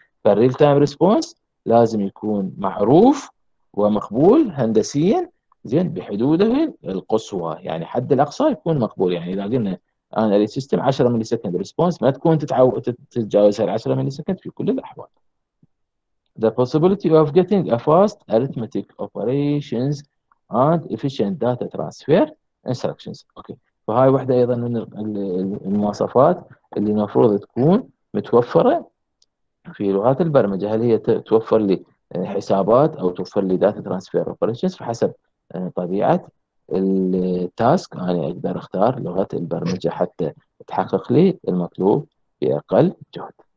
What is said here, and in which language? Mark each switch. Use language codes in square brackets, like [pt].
[ar] فالريل تايم ريسبونس لازم يكون معروف ومقبول هندسيا زين بحدوده القصوى، يعني حد الاقصى يكون مقبول. يعني اذا قلنا انا السيستم 10 ملي سكند ريسبونس ما تكون تتجاوز ال 10 ملي سكند في كل الاحوال. [en] The possibility of getting a fast arithmetic operations and efficient data transfer instructions. Okay. [ar] فهاي واحدة أيضا من المواصفات اللي المفروض تكون متوفرة في لغات البرمجة، هل هي توفر لي حسابات أو توفر لي data transfer operations بحسب طبيعة التاسك. أنا يعني أقدر أختار لغة البرمجة حتى تحقق لي المطلوب بأقل جهد.